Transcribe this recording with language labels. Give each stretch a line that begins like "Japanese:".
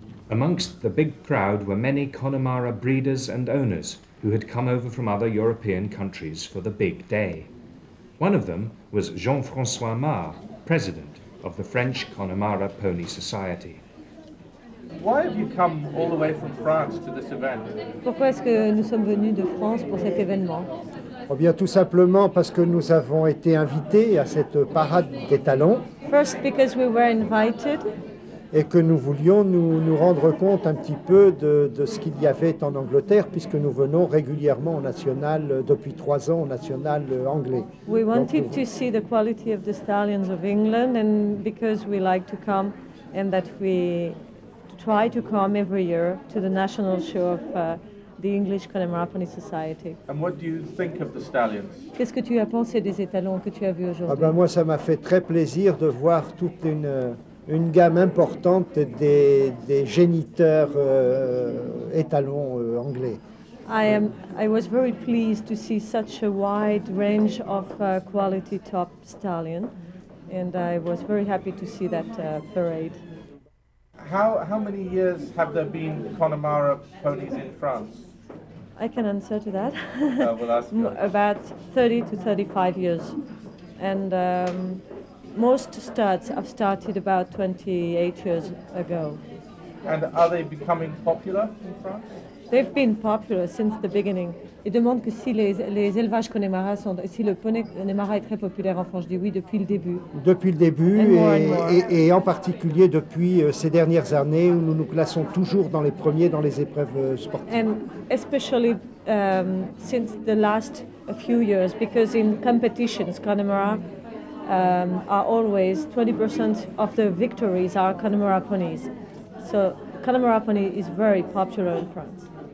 English: Amongst the big crowd were many Connemara breeders and owners who had come over from other European countries for the big day. One of them was Jean-François Mar, president of the French Connemara Pony Society. Why have you come all the way from France to this event?
French: Pourquoi est-ce que nous sommes venus de France pour cet événement? Oh bien, tout simplement parce que nous avons été invités à cette parade des talons.
English: First, because we were invited.
French: Et que nous voulions nous rendre compte un petit peu de ce qu'il y avait en Angleterre, puisque nous venons régulièrement au national, depuis 3 ans, au national anglais.
English: We wanted to see the quality of the stallions of England, and because we like to come, and that we try to come every year to the national show of the English Connemara Pony Society. And what do you think of the stallions?
French: Qu'est-ce que tu as pensé des étalons que tu as vus aujourd'hui? Ah ben moi, ça m'a fait très plaisir de voir toute une gamme importante des géniteurs étalons anglais.
English: I was very pleased to see such a wide range of quality top stallion, and I was very happy to see that parade. How many years have there been Connemara ponies in France? I can answer to that. We'll ask you. About 30 to 35 years. And most studs have started about 28 years ago. And are they becoming popular in France? They've been popular since the beginning.
French: Il demande que si les élevages Connemara sont, si le poney Connemara est très populaire en France, je dis oui, depuis le début. Depuis le début et en particulier depuis ces dernières années où nous nous classons toujours dans les premiers dans les épreuves sportives.
English: And especially since the last few years, because in competitions, Connemara are always 20% of the victories are Connemara ponies. So Connemara pony is very popular in France.